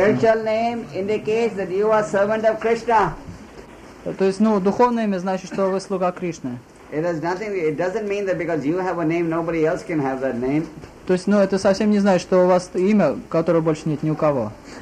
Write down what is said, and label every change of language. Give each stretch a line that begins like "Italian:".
English: Spiritual name indicates that you are servant of Krishna.
Russian: То есть, ну, духовное имя значит, что вы слуга Кришны.
English: It has nothing. It doesn't mean that because you have a name, nobody else can have that name.
Russian: То есть, ну, это совсем не значит, что у вас имя, которого больше нет ни у кого.